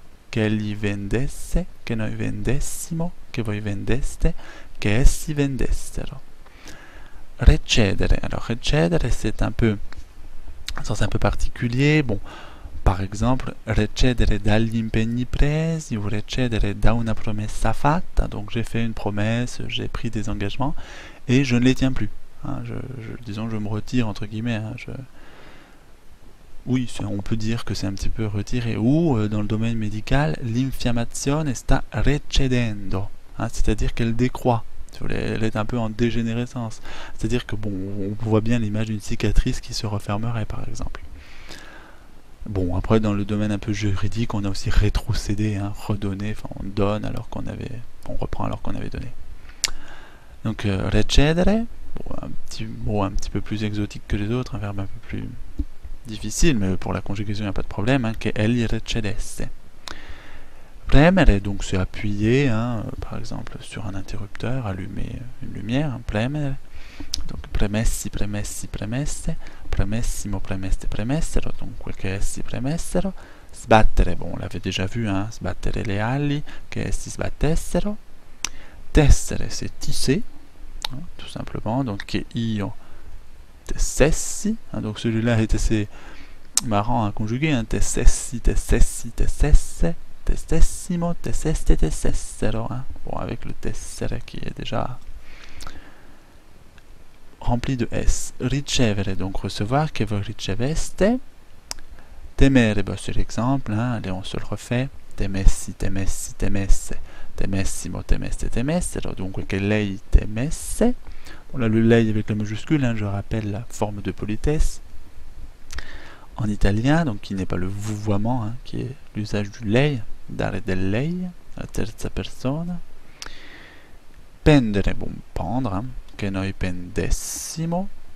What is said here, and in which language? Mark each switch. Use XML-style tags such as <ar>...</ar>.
<it>Quelli vendesse, che noi vendessimo, che voi vendeste, che essi vendessero. Recedere.</it> <fr>Alors, recedere, c'est un peu, un sens un peu particulier. Bon, par exemple,</fr> <it>recedere dall'impegni presi ou recedere da una promessa fatta.</it> <fr>Donc, j'ai fait une promesse, j'ai pris des engagements et je ne les tiens plus. Hein, disons, je me retire, entre guillemets. Hein, Oui, on peut dire que c'est un petit peu retiré. Ou, dans le domaine médical,</fr> <it>l'infiammazione sta recedendo.</it> <fr>Hein, c'est-à-dire qu'elle décroît. Elle est un peu en dégénérescence. C'est-à-dire que, bon, on voit bien l'image d'une cicatrice qui se refermerait, par exemple. Bon, après, dans le domaine un peu juridique, on a aussi rétrocédé, hein, redonné. Enfin, on donne alors qu'on avait. On reprend alors qu'on avait donné. Donc, recedere. Bon, un petit mot un petit peu plus exotique que les autres. Un verbe un peu plus difficile, mais pour la conjugaison, il n'y a pas de problème. Hein, que elle recedesse. Premere, donc c'est appuyer, hein, par exemple sur un interrupteur, allumer une lumière, hein, premere.</fr> <it>Donc premessi, premessi, premesse, premessimo, premesse, premessero, donc che essi premessero. Sbattere,</it> <fr>bon, on l'avait déjà vu,</fr> <it>hein, sbattere le ali, che essi sbattessero.</it> <fr>Tessere, c'est tisser, hein, tout simplement, donc</fr> <it>che io tessessi,</it> <fr>hein, donc celui-là est assez marrant à conjuguer, hein, tessessi, tessessi, tessesse.</fr> <it>Testessimo, testeste, testessero. Hein.</it> <fr>Bon, avec le tessere qui est déjà rempli de S. Ricevere, donc recevoir, que vous riceveste. Temere, ben, c'est l'exemple, hein. Allez, on se le refait.</fr> <it>Temessi, temessi, temesse. Temessimo, temeste, temessero. Donc, que lei temesse.</it> <fr>Bon, là, le lei avec la majuscule, hein, je rappelle la forme de politesse. En italien, donc qui n'est pas le vouvoiement, hein, qui est l'usage du lei,</fr> <it>dare del lei, la terza persona. Pendere,</it> <fr>bon, pendre,</fr> <it>hein, che noi pendessimo.</it>